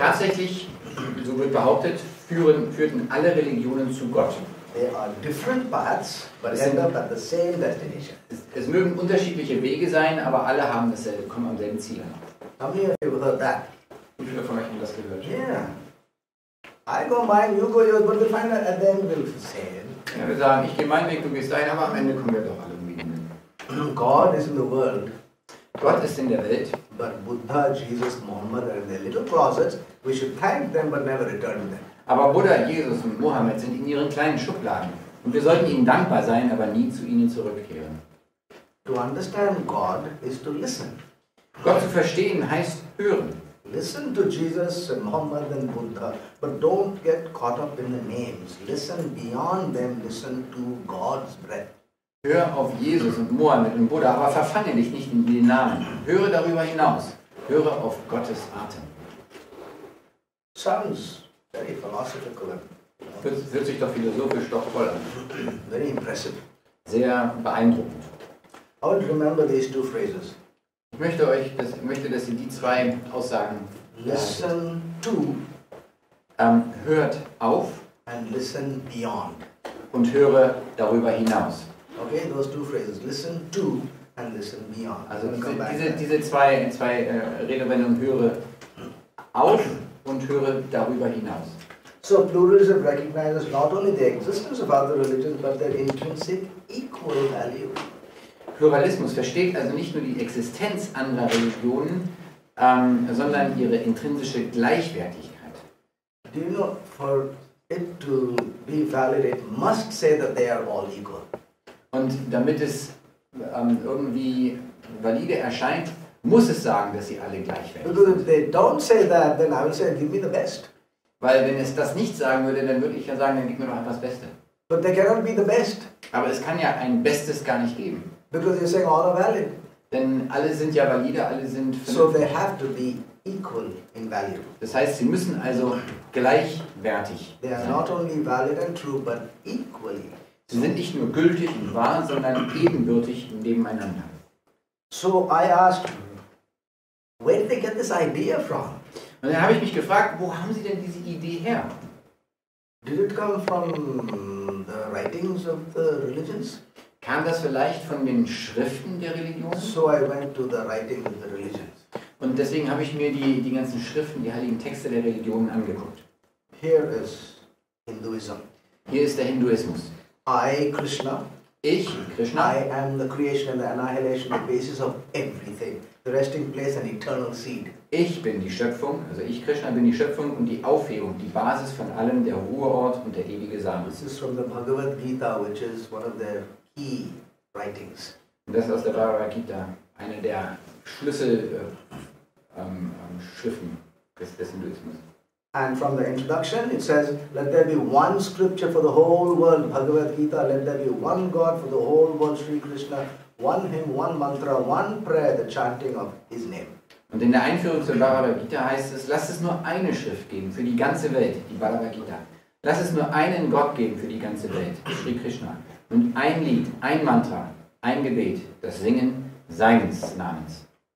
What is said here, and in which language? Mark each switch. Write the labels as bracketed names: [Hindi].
[German] Tatsächlich, so wird behauptet, führten alle Religionen zu Gott. [English] There are different paths, but end up at the same destination. [German] Es mögen unterschiedliche Wege sein, aber alle haben dasselbe, kommen am selben Ziel an. [English] How many of you have heard that? [German] Wie viele von euch haben das gehört? [English] Yeah. I go mine, you go yours, but we'll find out at the end we'll say it. [German] Ja, wir sagen, ich gehe meinen Weg, du gehst deinen, aber am Ende kommen wir doch alle irgendwie hin. [English] God is in the world. [German] Gott ist in der Welt. [English] But Buddha, Jesus, Muhammad are in their little closets. We should thank them, but never return to them. [German] Aber Buddha, Jesus und Mohammed sind in ihren kleinen Schubladen. Und wir sollten ihnen dankbar sein, aber nie zu ihnen zurückkehren. [English] To understand God is to listen. [German] Gott zu verstehen heißt hören. [English] Listen to Jesus and Muhammad and Buddha, but don't get caught up in the names. Listen beyond them, listen to God's breath. [German] Hör auf Jesus und Mohammed und Buddha, aber verfange dich nicht in den Namen. Höre darüber hinaus. Höre auf Gottes Atem. [English] Sounds very philosophical. [German] Hört sich doch philosophisch doch voll an. [English] Very impressive. [German] Sehr beeindruckend. [English] I would remember these two phrases. [German] Ich möchte, dass ihr die zwei Aussagen [English] listen to, [German] hört auf [English] and listen beyond. [German] Und höre darüber hinaus. [English] Okay, those two phrases. Listen to and listen beyond. [German] Also diese zwei Redewendungen, höre auf und höre darüber hinaus. [English] So pluralism recognizes not only the existence of other religions, but their intrinsic equal value. [German] Pluralismus versteht also nicht nur die Existenz anderer Religionen, sondern ihre intrinsische Gleichwertigkeit. [English] Do you know, for it to be valid, it must say that they are all equal. [German] Und damit es irgendwie valide erscheint, muss es sagen, dass sie alle gleich werden. [English] Because if they don't say that, then I would say, give me the best. [German] Weil wenn es das nicht sagen würde, dann würde ich ja sagen, dann gib mir doch einfach das Beste. [English] But they cannot be the best. [German] Aber es kann ja ein Bestes gar nicht geben. [English] Because you're saying all are valid. [German] Denn alle sind ja valide, alle sind vernünftig. [English] So they have to be equal in value. [German] Das heißt, sie müssen also gleichwertig sein. [English] They are not only valid and true, but equally. [German] Sie sind nicht nur gültig und wahr, sondern ebenbürtig nebeneinander. [English] So I asked, where did they get this idea from? [German] Und dann habe ich mich gefragt, wo haben sie denn diese Idee her? [English] Did it come from the writings of the religions? [German] Kam das vielleicht von den Schriften der Religion? [English] So I went to the writings of the religions. [German] Und deswegen habe ich mir die ganzen Schriften, die heiligen Texte der Religionen angeguckt. [English] Here is Hinduism. [German] Hier ist der Hinduismus. [English] I, Krishna. [German] Ich, Krishna. [English] I am the creation and the annihilation, the basis of everything. The resting place and eternal seed. [German] Ich bin die Schöpfung, also ich, Krishna, bin die Schöpfung und die Aufhebung, die Basis von allem, der Ruheort und der ewige Samen. [English] This is from the Bhagavad Gita, which is one of the key writings. [German] Und das ist aus der Bhagavad Gita, eine der Schlüsselschriften des Hinduismus. [English] And from the introduction, it says, let there be one scripture for the whole world, Bhagavad Gita, let there be one God for the whole world, Sri Krishna, one hymn, one mantra, one prayer, the chanting of his name. [German] Und in der Einführung zur Bhagavad Gita heißt es, lass es nur eine Schrift geben für die ganze Welt, die Bhagavad Gita. Lass es nur einen Gott geben für die ganze Welt, Sri Krishna. Und ein Lied, ein Mantra, ein Gebet, das Singen seines Namens.